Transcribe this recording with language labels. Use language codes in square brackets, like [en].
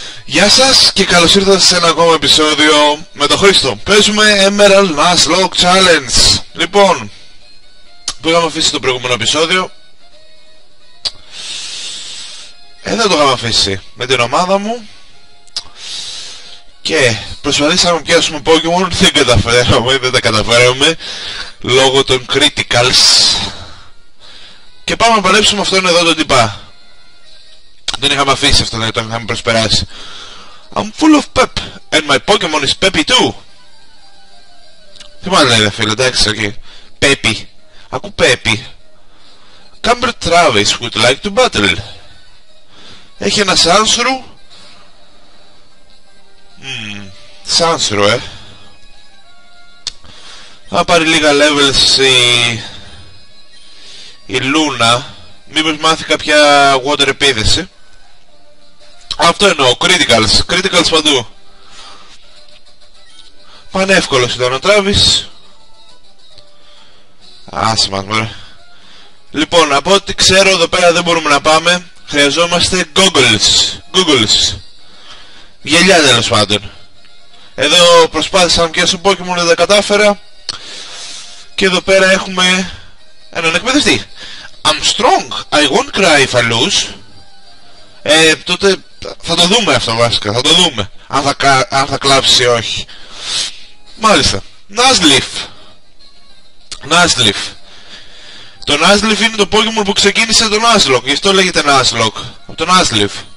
[el] Γεια σας και καλώς ήρθατε σε ένα ακόμα επεισόδιο με τον Χρήστο. Παίζουμε Emerald Nuzlocke Challenge. Λοιπόν, που είχαμε αφήσει το προηγούμενο επεισόδιο, δεν το είχαμε αφήσει με την ομάδα μου και προσπαθήσαμε να πιάσουμε Pokemon. Δεν καταφέραμε, δεν τα καταφέραμε λόγω των criticals. Και πάμε να παλέψουμε αυτόν εδώ τον τυπά. Δεν είχαμε αφήσει αυτό, δεν το είχαμε προσπεράσει. [en] I'm full of pep and my Pokemon is peppy too. [el] Τι μάλλον λέει φίλε, εντάξει, οκ. Peppy. Ακού peppy. [en] Cumber Travis would like to battle. [el] Έχει ένα Sansru. Sansru, ε. Θα πάρει λίγα levels η Luna. Μήπως μάθει κάποια water επίδεση. Αυτό εννοώ, criticals, criticals παντού. Πανεύκολος ήταν ο Travis. Άσε μας μωρέ. Λοιπόν, από ό,τι ξέρω εδώ πέρα δεν μπορούμε να πάμε. Χρειαζόμαστε goggles. Goggles. Γελιά τέλος πάντων. Εδώ προσπάθησα να πιάσω Pokémon, δεν τα κατάφερα. Και εδώ πέρα έχουμε έναν εκπαιδευτή. [en] I'm strong, I won't cry if I lose. [el] Τότε θα το δούμε αυτό βασικά, θα το δούμε αν θα κλάψει ή όχι. Μάλιστα. Nuzleaf. Το Nuzleaf είναι το Pokémon που ξεκίνησε τον Nuzlocke, γι' αυτό λέγεται Nuzlocke. Από τον Nuzleaf.